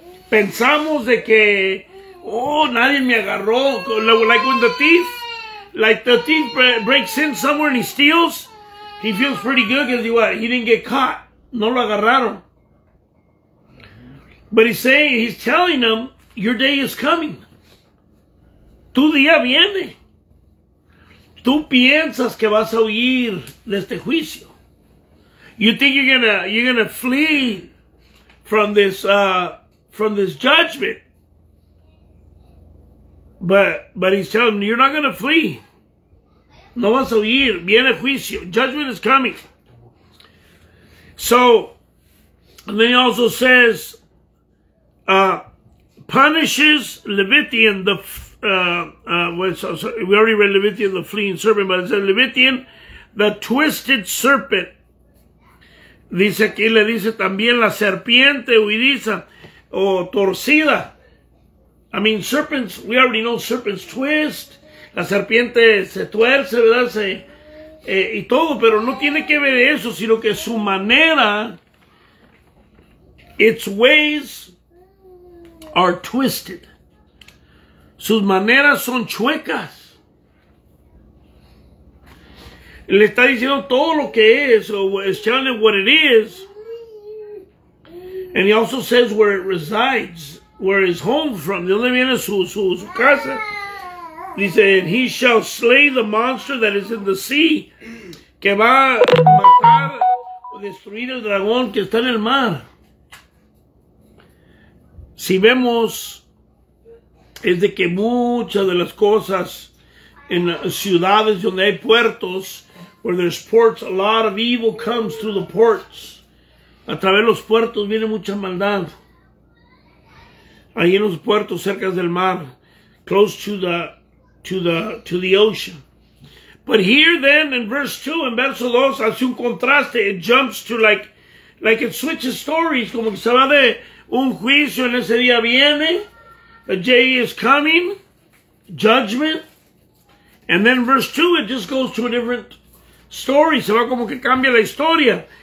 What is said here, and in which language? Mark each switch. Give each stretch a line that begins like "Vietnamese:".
Spanish: Pensamos de que, oh, nadie me agarró.
English: Like when the thief. Like the thief breaks in somewhere and he steals, he feels pretty good because he didn't get caught.
Spanish: No lo agarraron.
English: But he's telling them, your day is coming.
Spanish: Tu día viene. Tú piensas que vas a huir de este juicio.
English: You think you're gonna flee from this judgment. But he's telling them, you're not gonna flee.
Spanish: No vas a huir. Viene juicio.
English: Judgment is coming. So, and then he also says, punishes Leviathan, we already read Leviathan, the fleeing serpent, but it says Leviathan, the twisted serpent.
Spanish: Dice aquí, le dice también la serpiente huidiza, o torcida.
English: I mean, serpents, we already know serpents twist.
Spanish: La serpiente se tuerce, ¿verdad? Y todo, pero no tiene que ver eso, sino que su manera,
English: its ways are twisted.
Spanish: Sus maneras son chuecas. Le está diciendo todo lo que es, o
English: is telling him what it is. And he also says where it resides, where his home from.
Spanish: ¿De dónde viene su casa?
English: He said, and he shall slay the monster that is in the sea,
Spanish: que va a matar o destruir el dragón que está en el mar. Si vemos, es de que muchas de las cosas
English: in
Spanish: ciudades donde hay puertos,
English: where there's ports, a lot of evil comes through the ports.
Spanish: A través de los puertos viene mucha maldad. Ahí en los puertos cerca del mar,
English: close to the ocean. But here then in verse 2 and
Spanish: verso 2, hace un contraste,
English: it jumps to like it switches stories,
Spanish: como que se va de un juicio en ese día viene,
English: a day is coming, judgment, and then verse 2, it just goes to a different story,
Spanish: se va como que cambia la historia.